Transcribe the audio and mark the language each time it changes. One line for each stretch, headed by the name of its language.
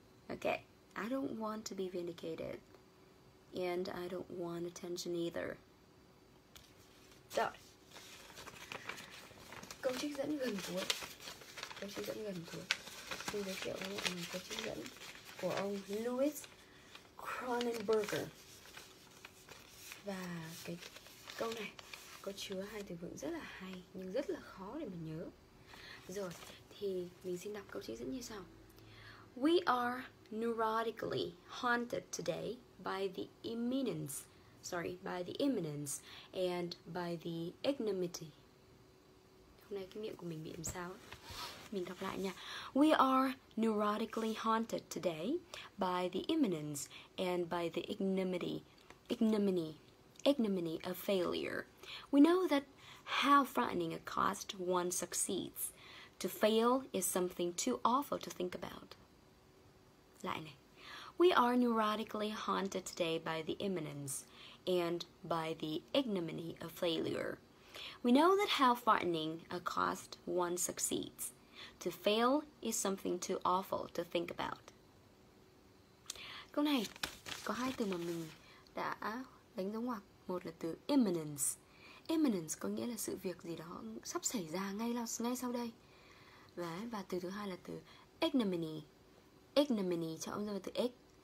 English: Okay, I don't want to be vindicated, and I don't want attention either.
Vietnamese: Rồi, câu trích dẫn gần cuối. Câu trích dẫn gần cuối, xin giới thiệu với mọi người câu trích dẫn của ông Louis Cronenberger. Và cái câu này có chứa hai từ vựng rất là hay nhưng rất là khó để mình nhớ. Rồi, thì mình xin đọc câu trích dẫn như sau.
English: We are neurotically haunted today by the imminence, and by the ignominy.
Vietnamese: Hôm nay cái miệng của mình bị làm sao? Mình đọc lại nha.
English: We are neurotically haunted today by the imminence and by the ignominy of failure. We know that how frightening a cost one succeeds. To fail is something too awful to think about.
Vietnamese: Lại này.
English: We are neurotically haunted today by the imminence and by the ignominy of failure. We know that how frightening a cost one succeeds. To fail is something too awful to think about.
Vietnamese: Câu này có hai từ mà mình đã đánh dấu ngoặc. Một là từ imminence. Imminence có nghĩa là sự việc gì đó sắp xảy ra ngay sau đây. Đấy, và từ thứ hai là từ ignominy. Ignominy cho ông dơ vào từ ick.